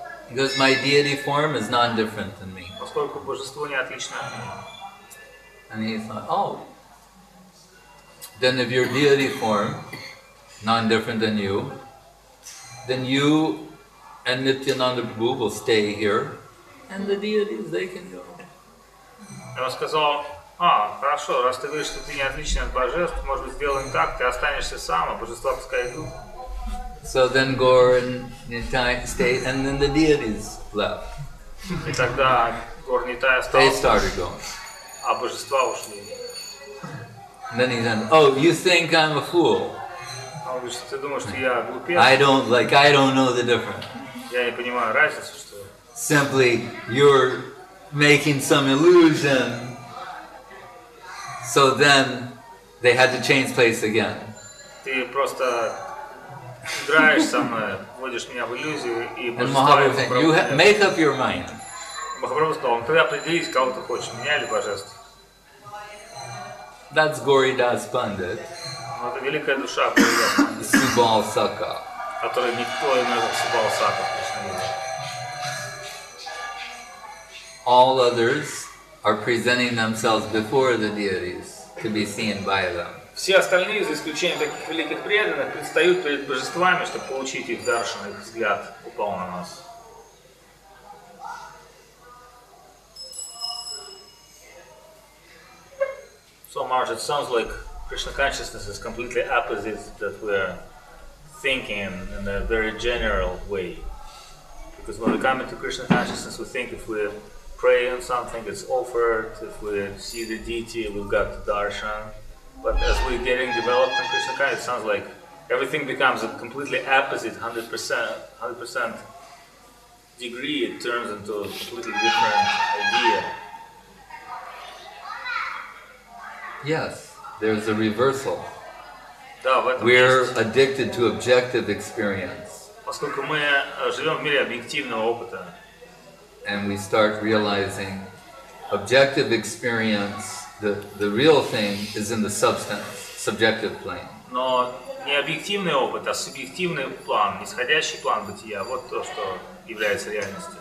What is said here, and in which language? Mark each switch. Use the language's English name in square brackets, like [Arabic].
[English] Because my deity form is not different than me. [Russian] Поскольку божество не отлично от меня. [English] And he thought, oh, then if your deity form non different than you, then you and Nityananda Prabhu will stay here, and the deities they can go. [Russian] И он сказал: а, хорошо, раз ты говоришь, что ты не отличен от божеств, может быть, сделаем так, ты останешься сам, а божества пускай идут. [English] So then Gor and Nitai stayed, and then the deities left. [Russian] И тогда Гор Нитай остался. [English] They started going. [Russian] А божества ушли. [English] Then he said, "Oh, you think I'm a fool? I don't know the difference. [Russian] Я не понимаю разницы, что. [English] Simply, you're making some illusion. So then, they had to change place again. [Russian] Ты просто играешь со мной, вводишь меня в иллюзию, и [English] And Mahaprabhu said, you make up your mind. [Russian] Махапрабху сказал: ты определись, кого ты хочешь, меня или божество. [English] That's Goridas Pandit. [Russian] Это великая душа, Goridas [English] Pandit. Subal Sakha. [Russian] Который никто не назвал Subal Sakha. [English] All others are presenting themselves before the deities to be seen by them. [Russian] Все остальные, за исключением таких великих преданных, предстают перед божествами, чтобы получить их даршан, их взгляд упал на нас. [English] So, Marge, it sounds like Krishna consciousness is completely opposite that we are thinking in a very general way. Because when we come into Krishna consciousness, we think if we pray on something, it's offered. If we see the deity, we've got the darshan. But as we're getting developed in Krishna consciousness, it sounds like everything becomes a completely opposite, 100% degree. It turns into a completely different idea. Yes, there's a reversal. We're addicted to objective experience. [Russian] Поскольку мы живем в мире объективного опыта. [English] And we start realizing objective experience, the real thing is in the substance, subjective plane. [Russian] Но не объективный опыт, а субъективный план, нисходящий план бытия, вот то, что является реальностью.